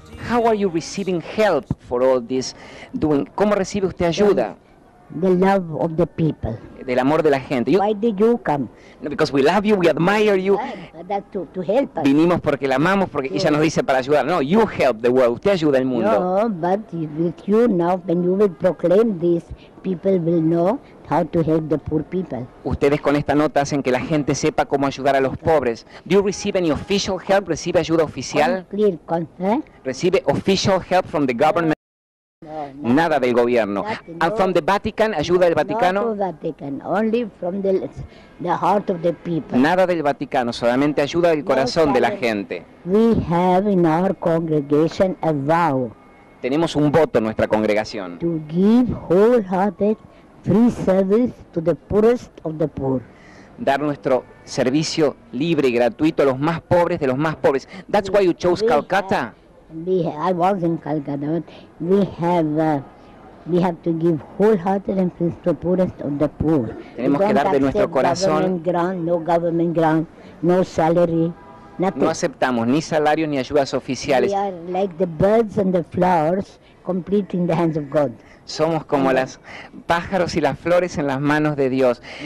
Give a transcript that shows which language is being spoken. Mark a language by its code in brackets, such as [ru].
[en] How are you receiving help for all this doing? [es] ¿Cómo recibe usted ayuda? [en] The love of the people. [es] Del amor de la gente. [en] You, why did you come? No, because we love you, we admire you. That to help us. [es] Vinimos porque la amamos, porque ella nos dice para ayudar. [en] No, you help the world. [es] Usted ayuda al mundo. [en] No, but with you now, when you will proclaim this, people will know how to help the poor people. [es] Ustedes con esta nota hacen que la gente sepa cómo ayudar a los pobres. [en] Do you receive any official help? [es] ¿Recibe ayuda oficial? ¿Recibe [en] official help from the government? [es] No, nada del gobierno. [en] And from the Vatican, [es] ayuda del Vaticano. [en] Not from Vatican, only from the heart of the people. [es] Nada del Vaticano, solamente ayuda del corazón de la gente. [en] We have in our congregation a vow. [es] Tenemos un voto en nuestra congregación. [en] To give wholehearted free service to the poorest of the poor. [es] Dar nuestro servicio libre y gratuito a los más pobres de los más pobres. [en] That's why you chose Calcutta. I was in Calcutta. We have to give wholehearted and to the poorest of the poor. [es] Tenemos que dar de nuestro corazón. [en] Government grant, no salary, nothing. [es] No aceptamos ni salario ni ayudas oficiales. [en] We are like the birds and the flowers, completely in the hands of God. [es] Somos como las pájaros y las flores en las manos de Dios.